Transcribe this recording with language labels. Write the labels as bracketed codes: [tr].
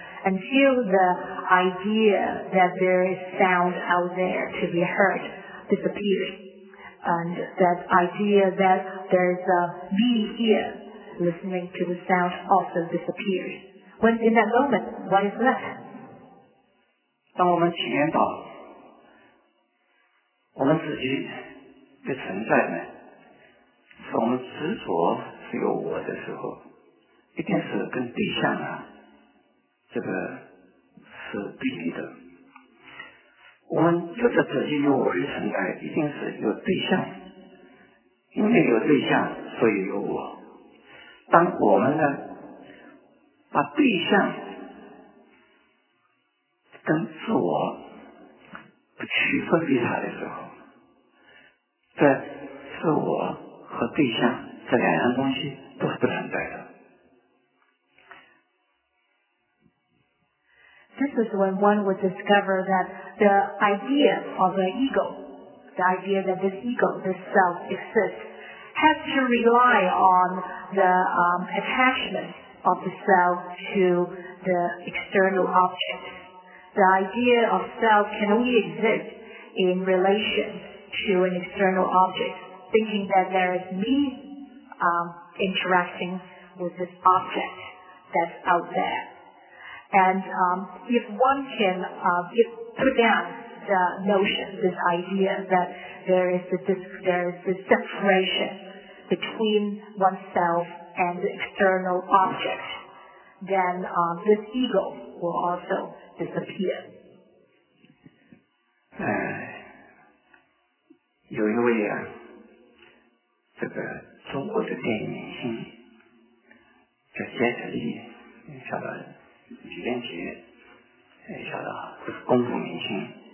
[en] And feel the idea that there is sound out there to be heard disappears. And that idea that there's a me here listening to the sound also disappears. When in that moment, what is left? [zh] 当我们体验到我们自己的存在呢，是我们执着是有我的时候，一定是跟对象啊这个是对立的。我们觉得自己有我的存在，一定是有对象，因为有对象，所以有我。当我们呢把对象跟自我不区分于他的时候，这自我和对象这两样东西都是不存在的。 [en] This is when one would discover that the idea of the ego, the idea that this ego, this self exists, has to rely on the, attachment of the self to the external object. The idea of self can only exist in relation to an external object, thinking that there is me, interacting with this object that's out there. And, if one can, if put down the notion, this idea that there is this separation between oneself and the external object, then, this ego will also disappear. [zh] 有一位啊，这个中国的电影明星叫杰克利，晓得。李连杰，晓得啊，这是功夫明星。